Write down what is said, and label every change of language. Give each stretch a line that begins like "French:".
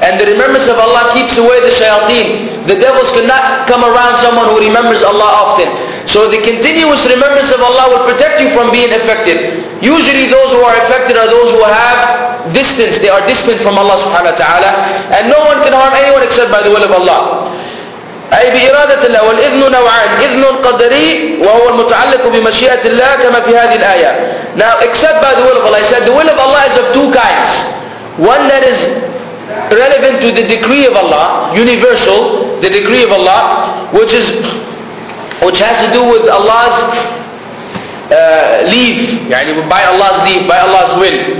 English: And the remembrance of Allah keeps away the shayateen. The devils cannot come around someone who remembers Allah often. So the continuous remembrance of Allah will protect you from being affected. Usually those who are affected are those who have distance. They are distant from Allah subhanahu wa ta'ala. And no one can harm anyone except by the will of Allah.
Arabic: أي بإرادة الله. والإذن نوعان, إذن قدري وهو المتعلق بمشيئة الله كما في هذه الآية.
English: Now except by the will of Allah, he said the will of Allah is of two kinds. One that is relevant to the decree of Allah, universal, the decree of Allah, which has to do with Allah's leave,
Arabic: يعني
English: by Allah's leave, by Allah's will.